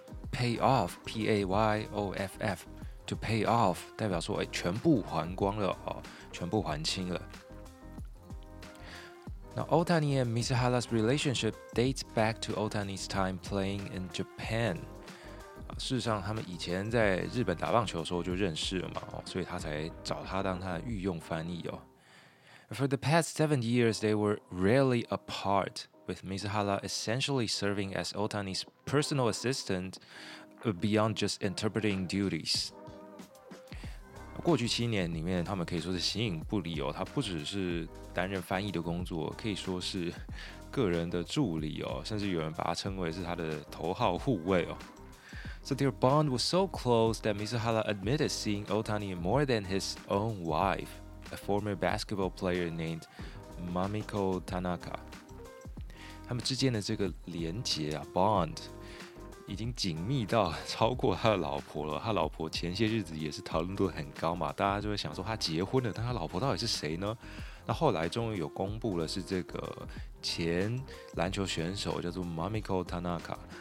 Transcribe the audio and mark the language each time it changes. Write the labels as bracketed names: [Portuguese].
[English] Pay off, P-A-Y-O-F-F, to pay off [Chinese] 代表说全部还光了全部还清了。 [English] Now, Ohtani and Mizuhara's relationship dates back to Ohtani's time playing in Japan. [Chinese] 事实上，他们以前在日本打棒球的时候就认识了嘛，所以他才找他当他的御用翻译哦。 [English] For the past 7 years, they were rarely apart, with Mizuhara essentially serving as Ohtani's personal assistant beyond just interpreting duties. [Chinese] 过去7年里面，他们可以说是形影不离哦。他不只是担任翻译的工作，可以说是个人的助理哦，甚至有人把他称为是他的头号护卫哦。 [English] So their bond was so close that Mizuhara admitted seeing Ohtani more than his own wife, a former basketball player named Mamiko Tanaka. [Chinese] 他们之间的这个连结啊 ，bond 已经紧密到超过他的老婆了。他老婆前些日子也是讨论度很高嘛，大家就会想说他结婚了，但他老婆到底是谁呢？那后来终于有公布了，是这个前篮球选手叫做 Mamiko Tanaka。